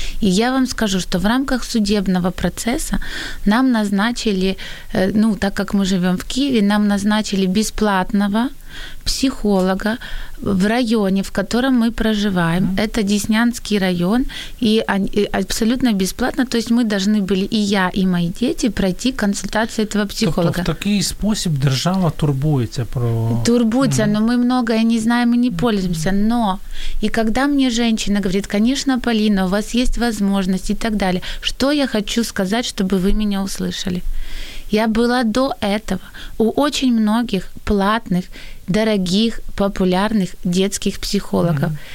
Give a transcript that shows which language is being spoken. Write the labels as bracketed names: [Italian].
[Russian] И я вам скажу, что в рамках судебного процесса нам назначили, ну, так как мы живем в Киеве, нам назначили бесплатного психолога в районе, в котором мы проживаем. Это Деснянский район, и абсолютно бесплатно, то есть мы должны были, и я, и мои дети, пройти консультацию этого психолога. [Ukrainian] Тобто в такий спосіб держава турбується про... Турбується, [Russian] но мы многое не знаем и не пользуемся, но и когда мне женщина говорит, конечно, Полина, у вас есть возможность и так далее, что я хочу сказать, чтобы вы меня услышали? Я была до этого у очень многих платных, дорогих, популярных детских психологов.